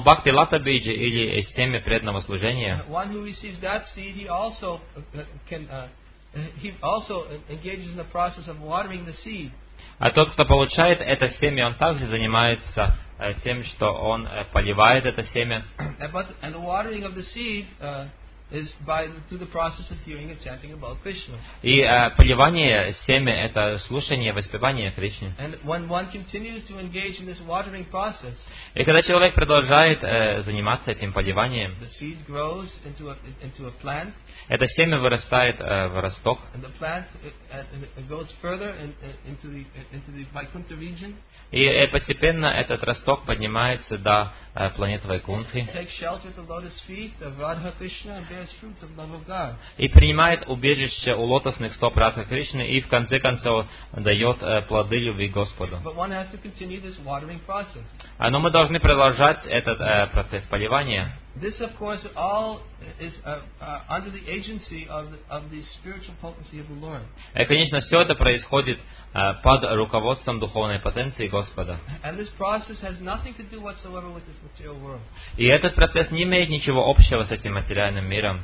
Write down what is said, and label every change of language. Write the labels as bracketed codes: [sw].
[ru] бхакти лата биджа или семя преданного служения. [en] One who receives that seed, he also can he also engages in the process of watering the seed. [ru] А тот, кто получает это семя, он также занимается тем, что он поливает это семя. [en] And the watering of the seed is by through the process of hearing and chanting about Krishna. [ru] И поливание семя это слушание, воспевание Кришны. [en] And when one continues to engage in this watering process, [ru] и когда человек продолжает заниматься этим поливанием, [en] the seed grows into a plant. [ru] Это семя вырастает в росток. [en] And the plant it goes further into the Vaikuntha region. [ru] И постепенно этот росток поднимается до планеты Вайкунтхи. И принимает убежище у лотосных стоп Радха Кришны и в конце концов дает плоды любви Господу. Но мы должны продолжать этот процесс поливания. [en] This, of course, all is under the agency of the spiritual potency of the Lord. [ru] Конечно, все это происходит под руководством духовной потенции Господа. [en] And this process has nothing to do whatsoever with this material world. [ru] И этот процесс не имеет ничего общего с этим материальным миром.